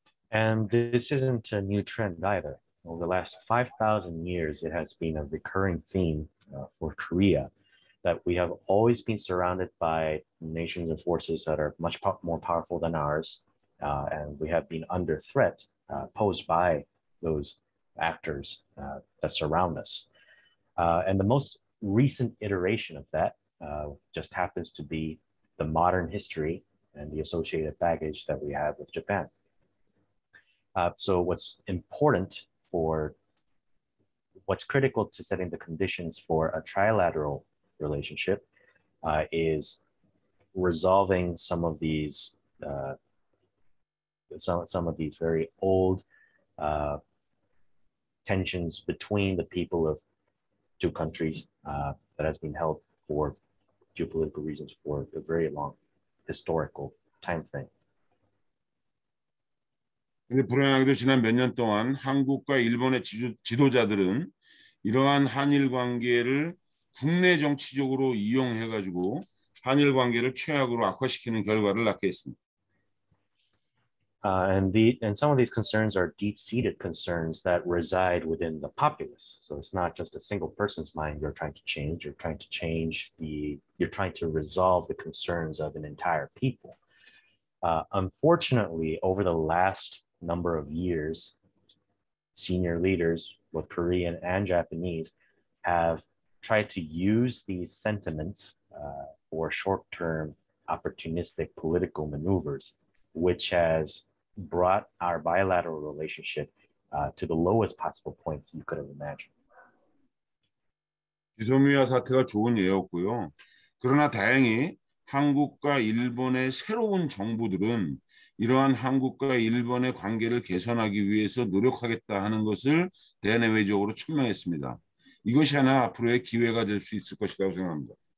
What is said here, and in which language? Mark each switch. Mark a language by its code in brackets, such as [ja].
[en] And this isn't a new trend either. Over the last 5,000 years, it has been a recurring theme for Korea that we have always been surrounded by nations and forces that are much more powerful than ours, and we have been under threat posed by those actors that surround us. And the most recent iteration of that just happens to be the modern history and the associated baggage that we have with Japan. So what's important for, what's critical to setting the conditions for a trilateral relationship is resolving some of these some of these very old tensions between the people of two countries that has been held for geopolitical reasons for a very long historical time frame. [ko] 근데 불행하게도 지난 몇 년 동안 한국과 일본의 지도자들은 이러한 한일 관계를 국내 정치적으로 이용해가지고 한일 관계를 최악으로 악화시키는 결과를 낳게 했습니다. [en] And some of these concerns are deep-seated concerns that reside within the populace. So it's not just a single person's mind you're trying to change. You're trying to change the, you're trying to resolve the concerns of an entire people. Unfortunately, over the last number of years, senior leaders, both Korean and Japanese, have tried to use these sentiments for short-term opportunistic political maneuvers, which has brought our bilateral relationship to the lowest possible point you could have imagined. [ko] 지소미아 사태가 좋은 예였고요. 그러나 다행히 한국과 일본의 새로운 정부들은 이러한 한국과 일본의 관계를 개선하기 위해서 노력하겠다 하는 것을 대내외적으로 천명했습니다. 이것이 하나 앞으로의 기회가 될 수 있을 것이라고 생각합니다.